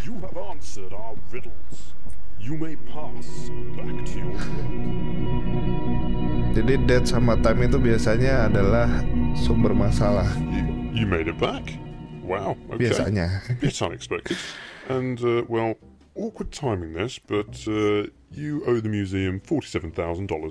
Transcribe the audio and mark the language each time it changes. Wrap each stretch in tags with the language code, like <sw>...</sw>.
<en>You have answered our riddles. You may pass back to your world.</en> <id>Jadi dead sama time itu biasanya adalah sumber masalah.</id> <en>You made it back. Wow. Okay.</en> <id>Biasanya.</id> <en>Bit unexpected. And well, awkward timing this, but you owe the museum $47,000.</en>